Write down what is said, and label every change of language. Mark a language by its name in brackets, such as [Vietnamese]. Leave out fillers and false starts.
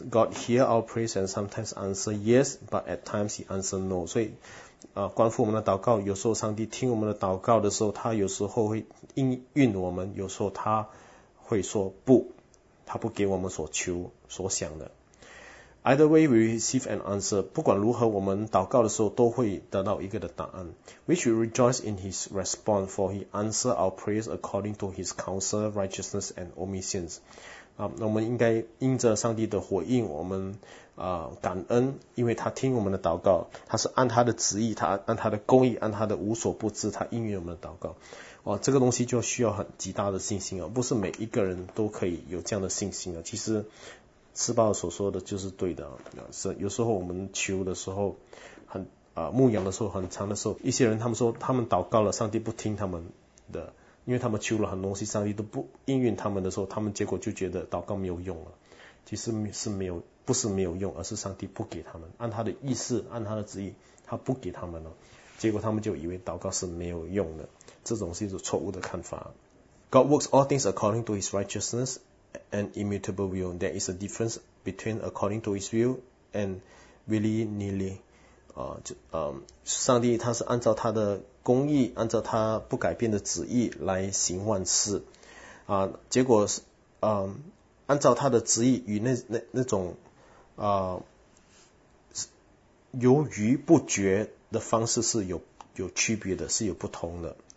[English] God hear our prayers and sometimes answer yes, but at times He answer no. [Chinese] 所以，关乎我们的祷告，有时候上帝听我们的祷告的时候，他有时候会应允我们，有时候他会说不，他不给我们所求所想的。 [English] Either way, we receive an answer. [Chinese] 不管如何，我们祷告的时候都会得到一个的答案。 [English] We should rejoice in His response, for He answers our prayers according to His counsel, righteousness, and omniscience. [Chinese] 那我们应该因着上帝的回应，我们感恩，因为他听我们的祷告，他是按他的旨意，他按他的公义，按他的无所不知，他应允我们的祷告。这个东西就需要很极大的信心啊，不是每一个人都可以有这样的信心啊。其实。诗报所说的就是对的，有时候我们求的时候，牧养的时候，很长的时候，一些人他们说他们祷告了，上帝不听他们的，因为他们求了很多东西，上帝都不应允他们的时候，他们结果就觉得祷告没有用了。其实是没有，不是没有用，而是上帝不给他们，按他的意思，按他的旨意，他不给他们了，结果他们就以为祷告是没有用的，这种是一种错误的看法。 [English] God works all things according to His righteousness. An immutable will. There is a difference between according to His will and willy-nilly. [Chinese] 上帝他是按照他的公义，按照他不改变的旨意来行万事。结果是按照他的旨意与那种由于不觉的方式是有区别的，是有不同的。